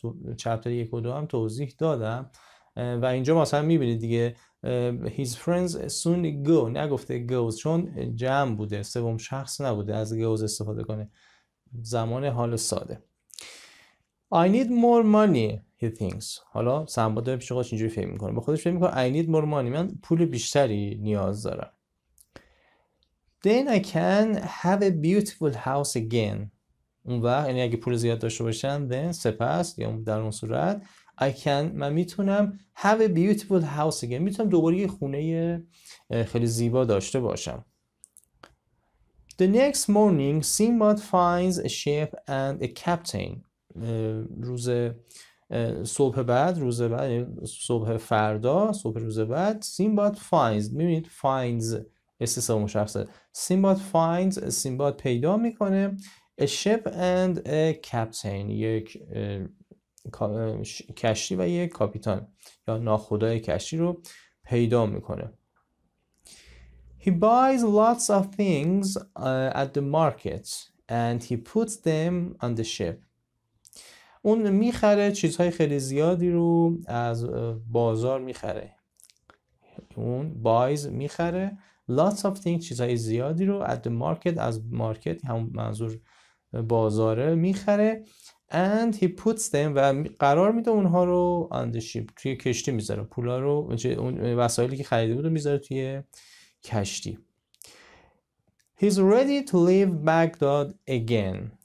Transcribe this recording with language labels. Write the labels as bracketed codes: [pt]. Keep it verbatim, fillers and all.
[fa] تو چپتر یک و دو هم توضیح دادم اه، و اینجا مثلا میبینید دیگه اه، [en] his friends soon go، [fa] نگفته goes چون جمع بوده، سوم شخص نبوده از goes استفاده کنه، زمان حال ساده. [en] I need more money he thinks. [fa] حالا سنباد داره پیش خودش اینجوری فکر میکنه، به خودش فکر میکنه [en] I need more money، [fa] من پول بیشتری نیاز دارم. [en] Then I can have a beautiful house again. [fa] اون وقت یعنی اگه پول زیاد داشته باشن then سپس یا در اون صورت [en] I can [fa] من میتونم [en] have a beautiful house again، [fa] میتونم دوباره یه خونه اه، خیلی زیبا داشته باشم. [en] The next morning, Sinbad finds a ship and a captain. [fa] اه، روز اه، صبح بعد روز بعد یعنی صبح فردا، صبح روز بعد [en] Sinbad finds، [fa] میبینید finds اسم سوم شخصه، Sinbad finds، Sinbad پیدا میکنه [en] a ship and a captain، [fa] یک اه، کا- ش- کشتی و یک کاپیتان یا ناخدای کشتی رو پیدا میکنه. [en] He buys lots of things uh, at the market and he puts them on the ship. [fa] اون میخره چیزهای خیلی زیادی رو از اه، بازار میخره. اون buys میخره [en] lots of things [fa] چیزهای زیادی رو [en] at the market [fa] از مارکت، همون منظور بازاره، میخره [en] and he puts them [fa] و می- قرار میده اونها رو [en] on the ship، [fa] توی کشتی میذاره، پولا رو چه- اون وسایلی که خریده بود رو میذاره توی کشتی. [en] He's ready to leave Baghdad again.